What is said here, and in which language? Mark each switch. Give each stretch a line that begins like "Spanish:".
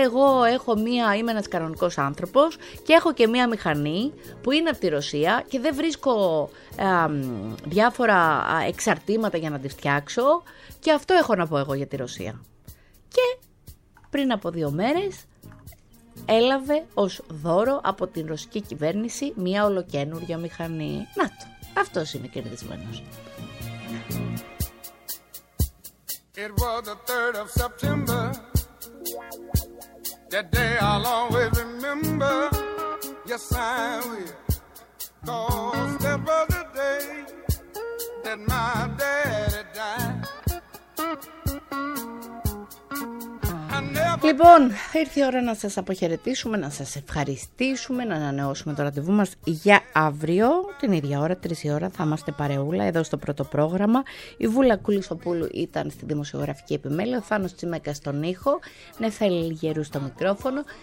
Greek: Εγώ έχω μία, είμαι ένας κανονικός άνθρωπος και έχω και μία μηχανή που είναι από τη Ρωσία και δεν βρίσκω διάφορα εξαρτήματα για να τη φτιάξω. Και αυτό έχω να πω εγώ για τη Ρωσία». Και πριν από δύο μέρες έλαβε ως δώρο από την ρωσική κυβέρνηση μία ολοκένουργια μηχανή. Να το, αυτός είναι κερδισμένος.
English: It was the 3rd of September, that day I'll always remember. Yes, I will. 'Cause that was the day that my daddy died.
Greek: Λοιπόν, ήρθε η ώρα να σας αποχαιρετήσουμε, να σας ευχαριστήσουμε, να ανανεώσουμε το ραντεβού μας για αύριο. Την ίδια ώρα, 3 η ώρα, θα είμαστε παρεούλα εδώ στο πρώτο πρόγραμμα. Η Βούλα Κουλισοπούλου ήταν στη δημοσιογραφική επιμέλεια, ο Θάνος Τσιμέκας στον ήχο, Νεφέλη Γερού στο μικρόφωνο.